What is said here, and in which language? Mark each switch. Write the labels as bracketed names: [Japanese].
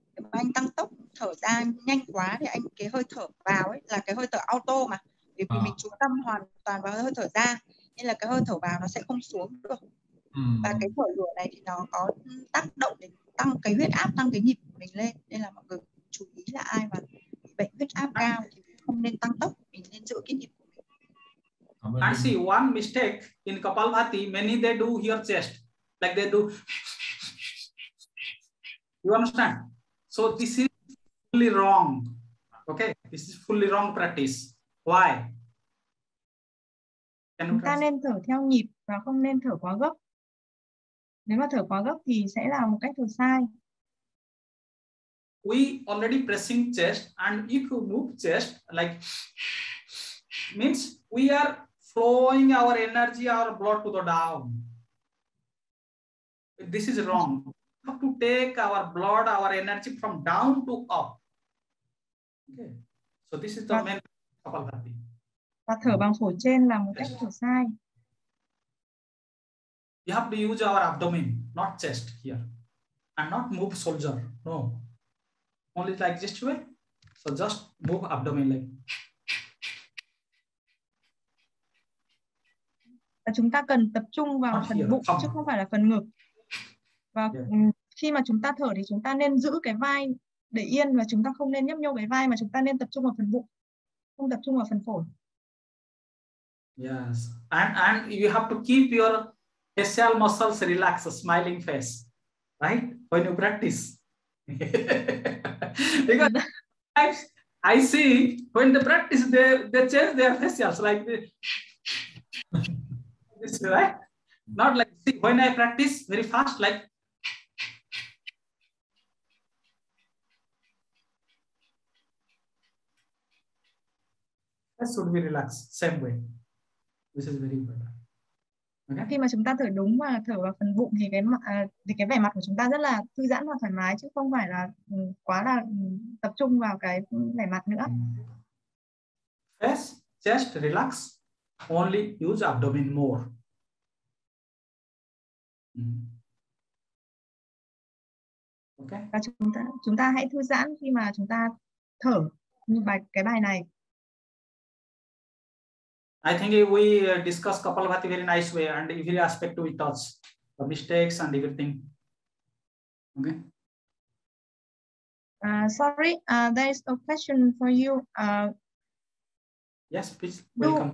[Vietnamese] Anh tăng tốc thở ra nhanh quá thì anh cái hơi thở vào ấy là cái hơi thở auto mà vì mình chú tâm hoàn toàn vào hơi thở ra nên là cái hơi thở vào nó sẽ không xuống được. Và cái thở lửa này thì nó có tác động để tăng cái huyết áp, tăng cái nhịp của mình lên, nên là mọi người chú ý là ai mà bệnh huyết áp cao thì không nên tăng tốc, mình nên giữ cái nhịp của mình. [English] I see one mistake in Kapalbhati, many they do here chest, like they do, you understand? So this is fully wrong. Okay, this is fully wrong practice. Why? [Vietnamese] Chúng ta nên thở theo nhịp và không nên thở quá gấp. Nếu mà thở quá gấp thì sẽ là một cách thở sai. [English] We already pressing chest and if you move chest like means we are flowing our energy, our blood to the down. This is wrong. Have to take our blood, our energy from down to up. Okay. So this is the main Kapalbhati. [Vietnamese] Và thở bằng phổi trên là một cách thở sai. [English] You have to use our abdomen, not chest here. And not move shoulder, no. Only like this way. So just move abdomen like. [Vietnamese] Và chúng ta cần tập trung vào [English] not [Vietnamese] phần [English] here. [Vietnamese] Bụng chứ không phải là phần ngực. Và khi mà chúng ta thở thì chúng ta nên giữ cái vai để yên và chúng ta không nên nhấp nhô cái vai mà chúng ta nên tập trung vào phần bụng, không tập trung vào phần phổi. [English] Yes, and you have to keep your facial muscles relaxed, smiling face, right? When you practice. Because I see when they practice, they change their facials like this. This, right? Not like, see, when I practice very fast, like. That should be relaxed, same way. This is very important. Okay. [Vietnamese] Khi mà chúng ta thở đúng và thở vào phần bụng thì cái vẻ mặt của chúng ta rất là thư giãn và thoải mái chứ không phải là quá là tập trung vào cái vẻ mặt nữa. [English] Yes, chest relax, only use abdomen more. Okay. [Vietnamese] Và chúng ta hãy thư giãn khi mà chúng ta thở như cái bài này. [English] I think we discussed Kapalabhati very nice way and every aspect we touch, the mistakes and everything. Okay. Sorry, there is a question for you. Yes, please. Welcome.